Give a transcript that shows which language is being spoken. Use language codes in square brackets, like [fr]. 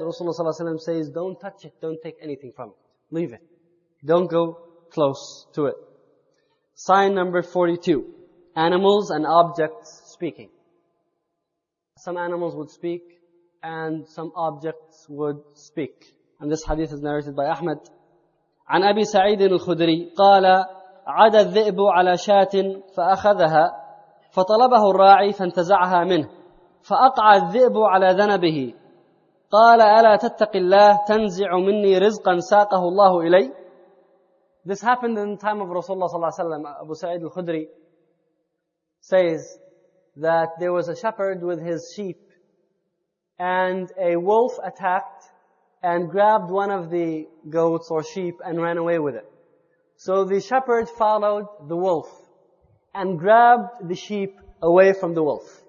[en] Rasulullah sallallahu alaihi wasallam says, don't touch it, don't take anything from it. Leave it. Don't go close to it. Sign number 42. Animals and objects speaking. Some animals would speak, and some objects would speak. And this hadith is narrated by Ahmad. [ar] عن أبي سعيد الخدري قال عاد الذئب على شاة فأخذها فطلبه الراعي فانتزعها منه فأقع الذئب على ذنبه قال ألا تتق الله تنزع مني رزقا ساقه الله إلي. [en] This happened in the time of Rasulullah [ar] صلى الله عليه وسلم. [en] Abu Sa'id al-Khudri says that there was a shepherd with his sheep, and a wolf attacked and grabbed one of the goats or sheep and ran away with it. So the shepherd followed the wolf and grabbed the sheep away from the wolf.